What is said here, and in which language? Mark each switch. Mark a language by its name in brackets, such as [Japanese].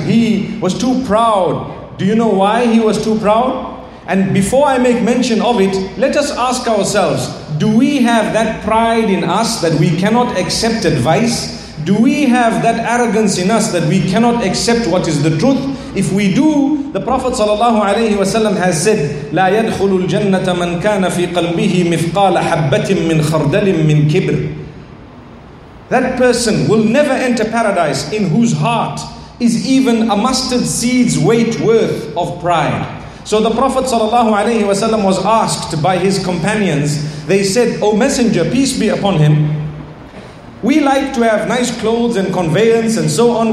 [English] He was too proud. Do you know why he was too proud? And before I make mention of it, let us ask ourselves, do we have that pride in us that we cannot accept advice? Do we have that arrogance in us that we cannot accept what is the truth? If we do, the Prophet sallallahu alaihi wasallam has said, [Arabic] لا يدخل الجنة من كان في قلبه مثقال حبة من خردل من كبر. [English] That person will never enter paradise in whose heart is even a mustard seed's weight worth of pride. So the Prophet sallallahu alaihi wasallam was asked by his companions. They said, O Messenger, peace be upon him, we like to have nice clothes and conveyance and so on.